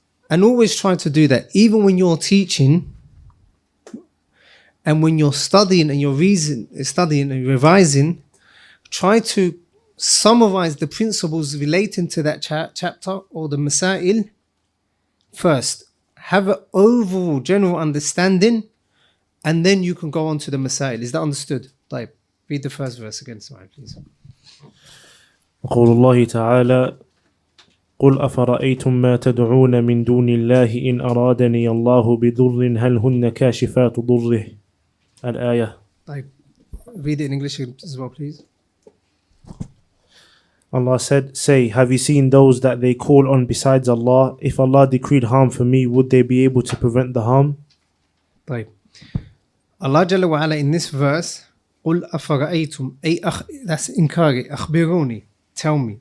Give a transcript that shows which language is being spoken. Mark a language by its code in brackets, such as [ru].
[en] And always try to do that. Even when you're teaching and when you're studying and revising, try to summarize the principles relating to that chapter or the masail first. Have an overall general understanding and then you can go on to the masail. Is that understood? طيب. Read the first verse again, Saeed, please. [ar] قول الله تعالى قل أفرأيتم ما تدعون من دون الله إن أرادني الله بضر هل هن كاشفات ضره الآية. [en] طيب. Read it in English as well, please. Allah said, say, have you seen those that they call on besides Allah? If Allah decreed harm for me, would they be able to prevent the harm? طيب. Allah Jalla wa Ala in this verse, [ar] قُلْ أَفَرَأَيْتُمْ [en] That's inquiry, أَخْبِرُونِ Tell me.